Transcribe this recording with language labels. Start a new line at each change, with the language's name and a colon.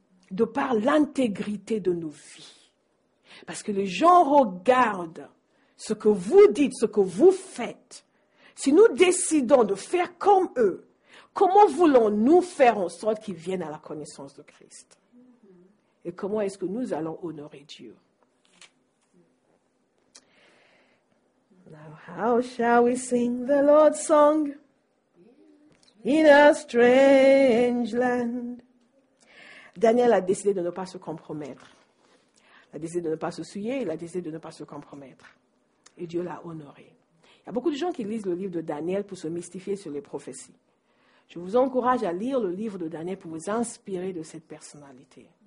French: De par l'intégrité de nos vies. Parce que les gens regardent ce que vous dites, ce que vous faites. Si nous décidons de faire comme eux, comment voulons-nous faire en sorte qu'ils viennent à la connaissance de Christ? Et comment est-ce que nous allons honorer Dieu?
English: Now how shall we sing the Lord's song in a strange land?
French: Daniel a décidé de ne pas se compromettre. Il a décidé de ne pas se souiller, il a décidé de ne pas se compromettre. Et Dieu l'a honoré. Il y a beaucoup de gens qui lisent le livre de Daniel pour se mystifier sur les prophéties. Je vous encourage à lire le livre de Daniel pour vous inspirer de cette personnalité.